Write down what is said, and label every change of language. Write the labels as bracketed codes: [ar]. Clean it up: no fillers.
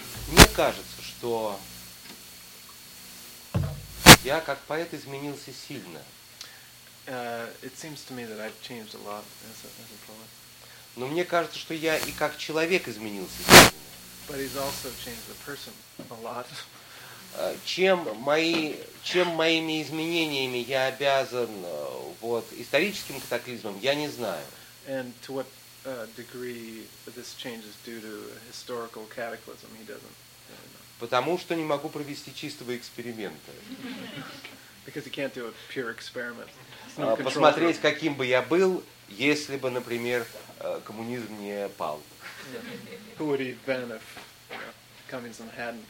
[ru] Мне кажется, что я как поэт изменился сильно. [en] It seems to me that I've changed a lot as a poet. [ru] Но мне кажется, что я и как человек изменился. [en] But he's also changed the person a lot. [ru] Чем моими изменениями я обязан вот историческим катаклизмом, я не знаю. [en] And to what degree this change is due to historical cataclysm, he doesn't really know. [ru] Потому что не могу провести чистого эксперимента. [en] Because he can't do a pure experiment. [ru] Посмотреть, каким бы я был, если бы, например, коммунизм не пал. [en] Who would he have been if communism hadn't?